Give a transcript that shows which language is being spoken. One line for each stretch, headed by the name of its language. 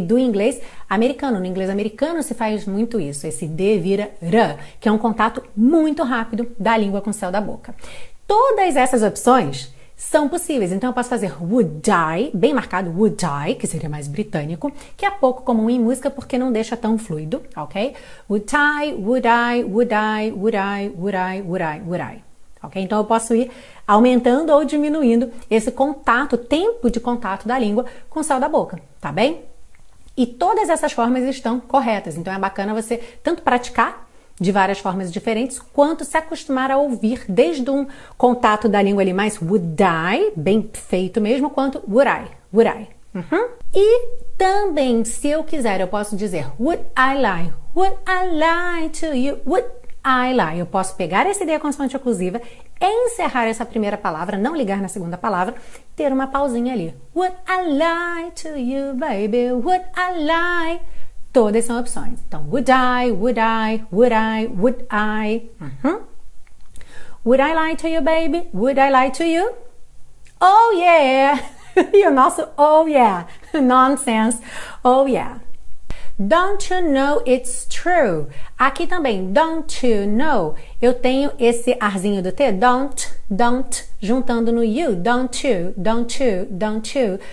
Portuguese: Do inglês americano, no inglês americano se faz muito isso, esse D vira R, que é um contato muito rápido da língua com o céu da boca. Todas essas opções são possíveis, então eu posso fazer would I, bem marcado would I, que seria mais britânico, que é pouco comum em música porque não deixa tão fluido, ok?
English: Would I, would I, would I, would I, would I, would I, would I, ok?
Portuguese: Então eu posso ir aumentando ou diminuindo esse contato, tempo de contato da língua com o céu da boca, tá bem? E todas essas formas estão corretas, então é bacana você tanto praticar de várias formas diferentes, quanto se acostumar a ouvir desde um contato da língua ali mais would I, bem feito mesmo, quanto would I, would I. Uhum. E também, se eu quiser, eu posso dizer
English: would I lie to you, would I lie.
Portuguese: Eu posso pegar essa ideia consoante oclusiva, encerrar essa primeira palavra, não ligar na segunda palavra, ter uma pausinha ali.
English: Would I lie to you, baby, would I lie.
Portuguese: Todas são opções.
English: Então, would I, would I, would I, would I. Uhum. Would I lie to you, baby? Would I lie to you? Oh, yeah!
Portuguese: E o nosso
English: oh, yeah! Nonsense. Oh, yeah. Don't you know it's true?
Portuguese: Aqui também,
English: don't you know?
Portuguese: Eu tenho esse arzinho do T, don't, don't, juntando no you.
English: Don't you, don't you, don't you.